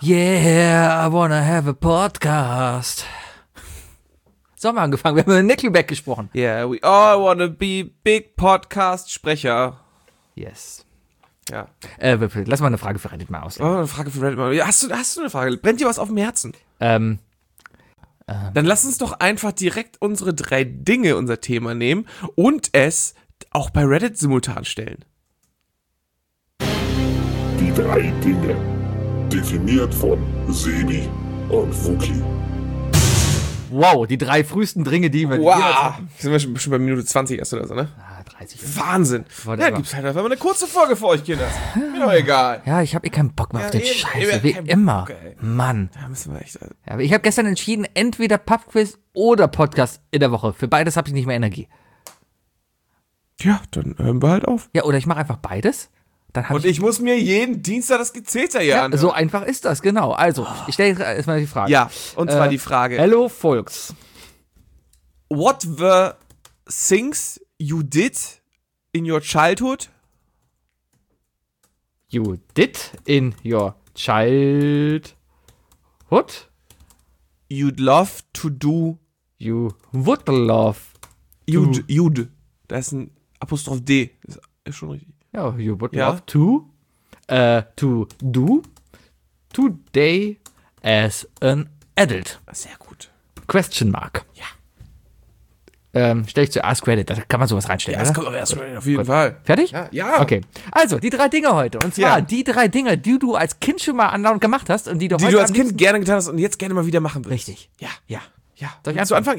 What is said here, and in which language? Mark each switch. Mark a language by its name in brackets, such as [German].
[English] Yeah, I wanna have a podcast. [German] So haben wir angefangen, wir haben mit Nickelback gesprochen. [English] Yeah, we all wanna be big podcast Sprecher. Yes. [German] Ja. Lass mal eine Frage für Reddit mal aus. Oh, eine Frage für Reddit mal. Hast du eine Frage? Brennt dir was auf dem Herzen? Dann lass uns doch einfach direkt unsere drei Dinge, unser Thema nehmen und es auch bei Reddit simultan stellen. Die drei Dinge, definiert von Sebi und Fuki. Wow, die drei frühesten Dinge, die wir... Wow, sind wir schon bei Minute 20 erst oder so, ne? Ah, 30. Wahnsinn. Ja, gibt's halt einfach mal eine kurze Folge für euch, Kinder. Mir doch egal. Ja, ich hab eh keinen Bock mehr auf den Scheiße, wie immer. Bock, Mann. Da müssen wir echt... Ja, ich hab gestern entschieden, entweder Pubquiz oder Podcast in der Woche. Für beides hab ich nicht mehr Energie. Ja, dann hören wir halt auf. Ja, oder ich mach einfach beides. Dann und ich muss mir jeden Dienstag das Gezählte hier anhören. So einfach ist das, genau. Also, ich stelle erstmal die Frage. Ja, und zwar die Frage. [English] Hello, folks. What were things you did in your childhood? You did in your childhood? You'd love to do. You would love to. You'd. [German] Da ist ein Apostroph D. Das ist schon richtig. [English] Ja, you would love to do today as an adult. [German] Sehr gut. [English] Question mark. [German] Ja. Stell ich zuerst Credit, da kann man sowas reinstellen. Ja, das kommt aber erst Credit, auf jeden Fall. Fertig? Ja. Okay. Also, die drei Dinge heute. Und zwar die drei Dinge, die du als Kind schon mal andauernd gemacht hast und die du heute. Die du als Kind gerne getan hast und jetzt gerne mal wieder machen willst. Richtig. Ja. Ja. Ja. Soll ich anfangen?